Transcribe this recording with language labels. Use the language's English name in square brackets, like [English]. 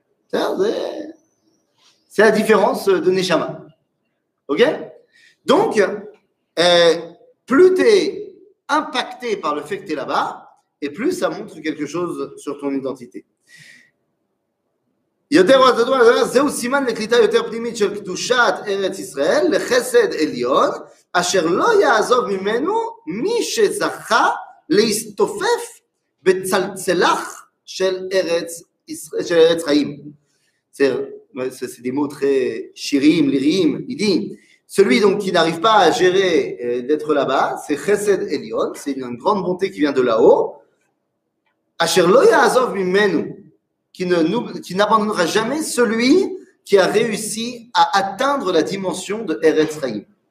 [French] C'est la différence de Neshama. OK ? Donc, plus tu es impacté par le fait que tu es là-bas, et plus ça montre quelque chose sur ton identité. [Hebrew] יותר רצון, זהו סימן לקליטה יותר פנימית של קדושת ארץ ישראל לחסד עליון, אשר לא יעזוב ממנו מי שזכה להסתופף בצלצלח של ארץ ישראל, של ארץ חיים. [French] C'est des mots très chériim, liriim. Il dit, celui donc qui n'arrive pas à gérer d'être là-bas, c'est chesed elyon, c'est une grande bonté qui vient de là-haut. [Hebrew] Asher lo yaazov mimenu, [French] qui n'abandonnera jamais celui qui a réussi à atteindre la dimension de Eretz Chaim.